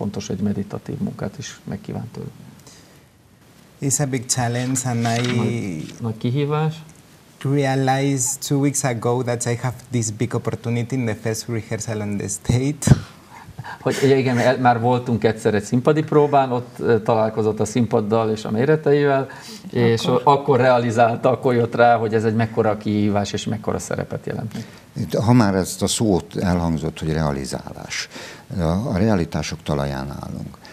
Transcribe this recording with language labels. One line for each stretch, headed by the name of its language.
Hungarian: Fontos egy meditatív munkát is megkíván tőle.
English: It's a big challenge and I...
Hungarian: Nagy kihívás.
English: Realized 2 weeks ago that I have this big opportunity in the first rehearsal on the stage.
Hungarian: Hogy igen, már voltunk egyszer egy színpadi próbán, ott találkozott a színpaddal és a méreteivel, és akkor realizálta, akkor jött rá, hogy ez egy mekkora kihívás és mekkora szerepet jelent. Ha már ezt a szót elhangzott, hogy realizálás, a realitások talaján állunk.